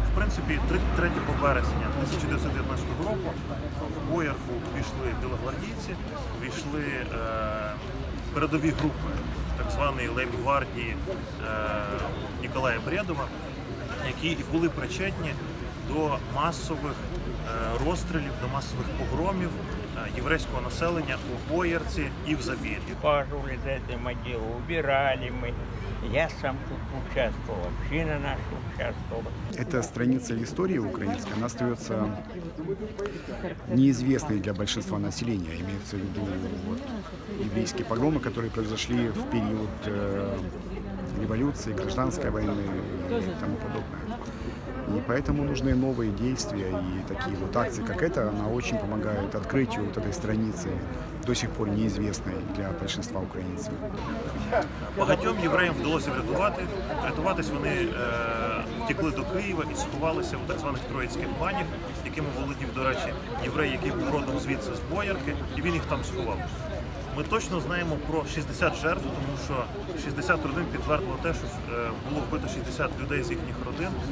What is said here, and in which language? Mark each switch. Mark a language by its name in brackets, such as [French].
[Ukrainian] В принципі, 3 вересня 1919 року в Боярку увійшли білогвардійці, увійшли передові групи так званої лейб-гвардії Ніколая Брєдова, які і були причетні до масових розстрілів, до масових погромів єврейського населення у Боярці і в Забір'ї. Пожили з цим діло, убирали ми. [Russian] Я сам тут участвовал, община наша участвовала. Эта страница истории украинской, она остается неизвестной для большинства населения. Имеется в виду вот, еврейские погромы, которые произошли в период революции, гражданской войны и тому подобное. И поэтому нужны новые действия, и такие вот акции, как эта, она очень помогает открытию вот этой страницы до сих пор неизвестной для большинства українців. [Ukrainian] Багатьом євреям вдалося врятувати. Врятуватись вони втекли до Києва і сховалися у так званих троїцьких банях, якими володів, до речі, єврей, який був родом звідси, з Боярки, і він їх там сховав. Ми точно знаємо про 60 жертв, тому що 60 родин підтвердило те, що було вбито 60 людей з їхніх родин.